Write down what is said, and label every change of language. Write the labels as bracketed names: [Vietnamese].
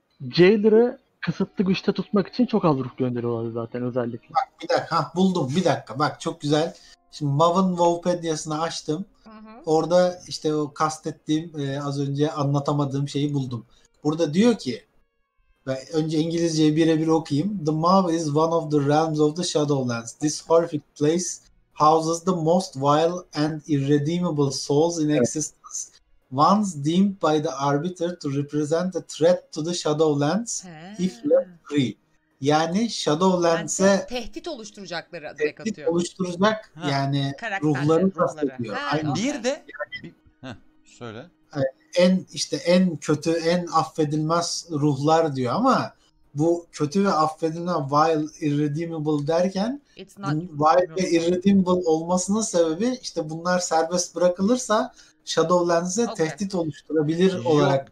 [Turkish] Jailer'ı kısıtlı güçte tutmak için çok az ruh gönderiyorlar zaten özellikle. Bak bir dakika, buldum bir dakika. Bak çok güzel. Şimdi Mao'nın Wikipedia'sını açtım. Hı-hı. Orada işte o kastettiğim, az önce anlatamadığım şeyi buldum. Burada diyor ki, ben önce İngilizceyi birebir okuyayım. [English] The Mao is one of the realms of the Shadowlands. This horrific place houses the most vile and irredeemable souls in existence. Evet. Once deemed by the Arbiter to represent a threat to the Shadowlands, if left free. [Turkish] Yani Shadowlands'e yani tehdit oluşturacakları direkt atıyor. Tehdit oluşturacak yani ruhları kastediyor. Bir de söyle. En işte en kötü, en affedilmez ruhlar diyor ama bu kötü ve affedilen vile irredeemable derken vile ve irredeemable olmasının sebebi işte bunlar serbest bırakılırsa Shadowlands'e tehdit oluşturabilir olarak